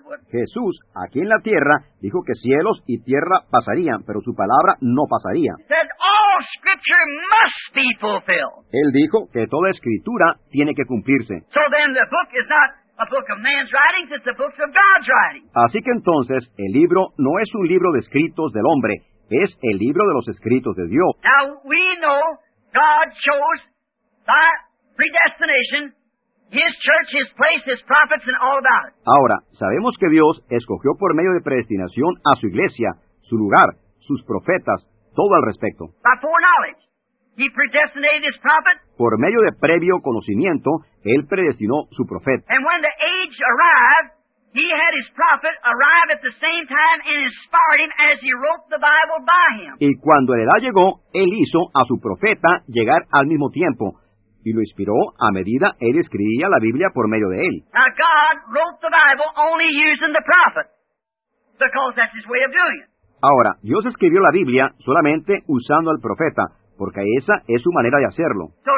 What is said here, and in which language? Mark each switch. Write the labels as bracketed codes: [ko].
[es] Jesús, aquí en la tierra, dijo que cielos y tierra pasarían, pero su palabra no pasaría. [en] Scripture must be fulfilled. [es] Él dijo que toda escritura tiene que cumplirse. [en] So then the book is not a book of man's writings, it's a book of God's writings. [es] Así que entonces, el libro no es un libro de escritos del hombre, es el libro de los escritos de Dios. [en] Now, we know God chose by predestination His church, His place, His prophets, and all about it. [es] Ahora, sabemos que Dios escogió por medio de predestinación a su iglesia, su lugar, sus profetas, todo al respecto. [en] By foreknowledge, He predestinated His prophet. [es] Por medio de previo conocimiento, Él predestinó su profeta. [en] And when the age arrived, He had His prophet arrive at the same time and inspired him as He wrote the Bible by him. [es] Y cuando la edad llegó, Él hizo a su profeta llegar al mismo tiempo, y lo inspiró a medida él escribía la Biblia por medio de él. [en] Now God wrote the Bible only using the prophet, because that's His way of doing it. [es] Ahora, Dios escribió la Biblia solamente usando al profeta, porque esa es su manera de hacerlo.